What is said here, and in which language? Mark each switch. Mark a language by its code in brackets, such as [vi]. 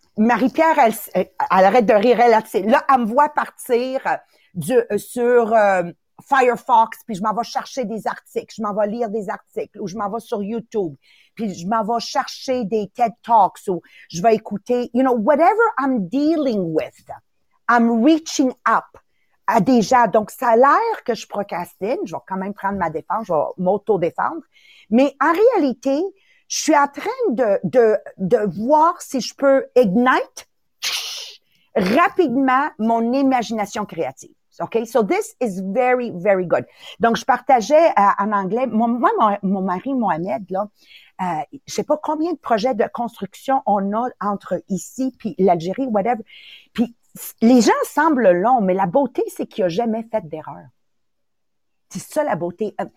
[fr] Marie-Pierre, elle arrête de rire, elle me voit partir sur Firefox, puis je m'en vais chercher des articles, je m'en vais lire des articles, ou je m'en vais sur YouTube, puis je m'en vais chercher des TED Talks, ou je vais écouter, [en] you know, whatever I'm dealing with, I'm reaching up [fr] à des gens. Donc, ça a l'air que je procrastine, je vais quand même prendre ma défense, je vais m'auto-défendre, mais en réalité, je suis en train de voir si je peux ignite rapidement mon imagination créative. [en] Okay, so this is very, very good. [fr] Donc, je partageais en anglais. Mon mari Mohamed, là, je sais pas combien de projets de construction on a entre ici puis l'Algérie, whatever. Puis les gens semblent longs, mais la beauté, c'est qu'il a jamais fait d'erreur. C'est ça la beauté.